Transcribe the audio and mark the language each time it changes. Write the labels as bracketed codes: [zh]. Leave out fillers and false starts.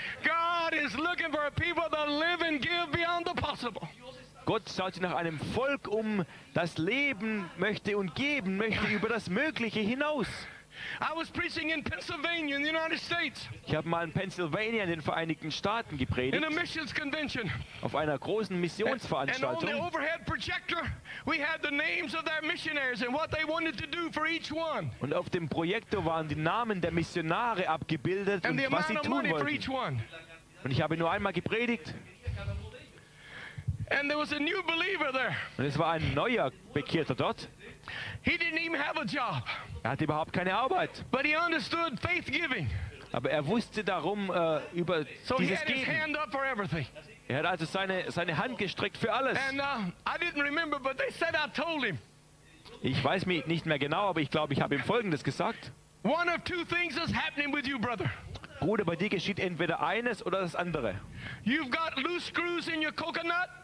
[en] God is looking for people that live and give beyond the possible. [de] Gott schaut sich nach einem Volk um, das leben möchte und geben möchte über das Mögliche hinaus. [en] I was preaching in Pennsylvania in the United States. [de] Ich habe mal in Pennsylvania in den Vereinigten Staaten gepredigt. [en] In a missions convention. [de] Auf einer großen Missionsveranstaltung. [en] And on the overhead projector, we had the names of their missionaries and what they wanted to do for each one. [de] Und auf dem Projektor waren die Namen der Missionare abgebildet und was sie tun wollten. Und ich habe nur einmal gepredigt. [en] And there was a new believer there. [de] Und es war ein neuer Bekehrter dort. [en] He didn't even have a job. [de] Er hatte überhaupt keine Arbeit. [en] But he understood faith giving. [de] Aber er wusste darum über so dieses [en] he had [de] Geben. [en] His hand up for everything. [de] Er hat also seine Hand gestreckt für alles. [en] And I didn't remember, but they said I told him. [de] Ich weiß mich nicht mehr genau, aber ich glaube, ich habe ihm Folgendes gesagt. [en] One of two things is happening with you, brother. [de] Bruder, bei dir geschieht entweder eines oder das andere. [en] You've got loose screws in your coconut.